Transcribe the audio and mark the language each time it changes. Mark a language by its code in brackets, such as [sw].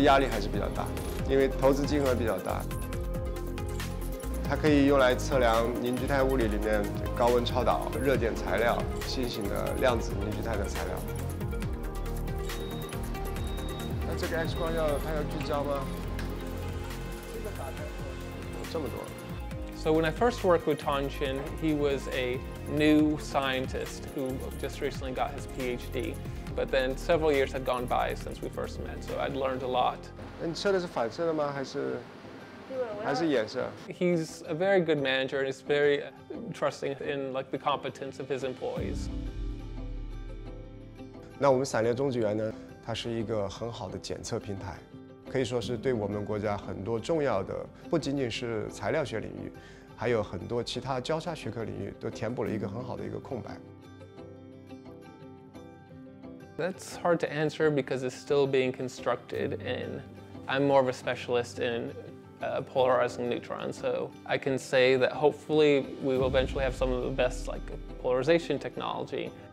[zh] 这是我们国家第一台在高能区非弹性中子散射谱仪，要把这个吊进去做准子吗？这是第一个由我负责的谱仪，很多时候需要做一些很重要的决定，因为这个决定就影响了整个谱仪未来发展的一个方向和它所能够测量的一些东西，所以这个压力还是比较大，因为投资金额比较大。它可以用来测量凝聚态物理里面高温超导、热电材料、新型的量子凝聚态的材料。那这个 X 光要聚焦吗？这么多。 [en] So when I first worked with Tong Xin, he was a new scientist who just recently got his PhD. But then several years had gone by since we first met, so I'd learned a lot. [zh] 那你测的是反射的吗？还是？还是颜色? [en] He's a very good manager and is very trusting in like the competence of his employees. [zh] 那我们散裂中子源呢，它是一个很好的检测平台，可以说是对我们国家很多重要的，不仅仅是材料学领域。还有很多其他交叉学科领域都填补了一个很好的一个空白。 [en] That's hard to answer because it's still being constructed, and I'm more of a specialist in polarizing neutrons, so I can say that hopefully we will eventually have some of the best like polarization technology.